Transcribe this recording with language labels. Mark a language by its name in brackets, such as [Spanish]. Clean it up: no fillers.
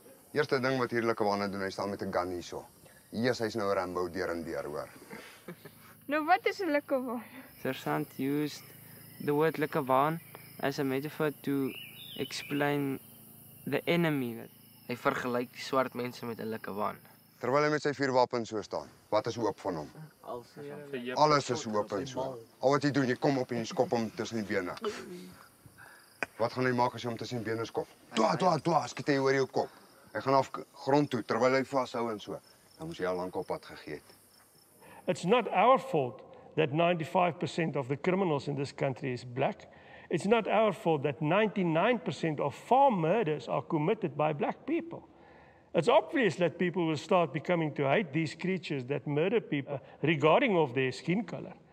[Afrikaans] Eerste ding wat hierdie Lekkewani doen, hy staan met 'n gun hierso. Yes, hy's nou Rambo deur en deur, hoor. Nou wat is 'n Lekkewani? [English] Sergeant used the word Lekkewani as a metaphor to explain the enemy. [Afrikaans] Hy vergelyk die swart mense met 'n Lekkewani. Terwyl hy met sy vuurwapen so staan, wat is oop van hom? Alles is oop en so. Al wat jy doen, jy kom op en skop hom tussen die bene. Wat gaan hy maak as jy hom tussen die bene skop? Dwa, skiet hy oor jou kop. Hy gaan af grond toe terwyl hy vashou en so. Dan moes jy al lank op pad gegee het. [English] It's not our fault that 95% of the criminals in this country is black. It's not our fault that 99% of farm murders are committed by black people. It's obvious that people will start becoming to hate these creatures that murder people regarding of their skin color.